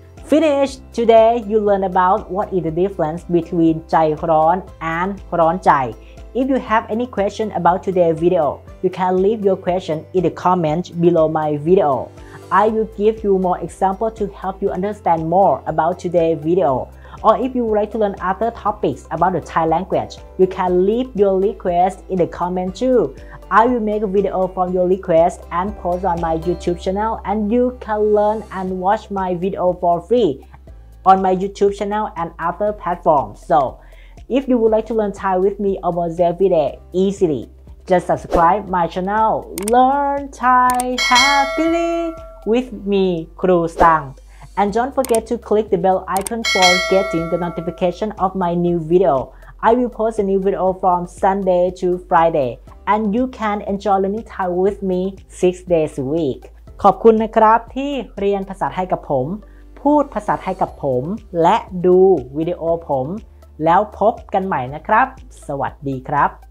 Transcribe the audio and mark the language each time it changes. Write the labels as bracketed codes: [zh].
[en] Finish today you learn about what is the difference between ใจร้อน and ร้อนใจ If you have any question about today's video you can leave your question in the comment below my video I will give you more example to help you understand more about today's videoOr if you would like to learn other topics about the Thai language, you can leave your request in the comment too. I will make a video from your request and post on my YouTube channel and you can learn and watch my video for free on my YouTube channel and other platforms. So, if you would like to learn Thai with me almost every day easily, just subscribe my channel Learn Thai Happily with me, Kru Stang. And don't forget to click the bell icon for getting the notification of my new video. I will post a new video from Sunday to Friday. And you can enjoy learning Thai with me 6 days a week. [th] ขอบคุณนะครับที่เรียนภาษาไทยกับผมพูดภาษาไทยกับผมและดูวิดีโอผมแล้วพบกันใหม่นะครับสวัสดีครับ